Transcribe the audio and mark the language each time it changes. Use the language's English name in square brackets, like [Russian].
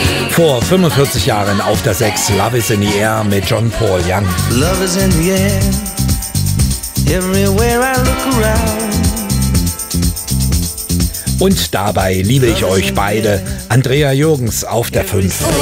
[German] Vor 45 Jahren auf der 6, Love is in the Air mit John Paul Young. [English] Love is in the air, everywhere I look around. [German] Und dabei liebe ich euch beide, Andrea Jürgens auf der 5.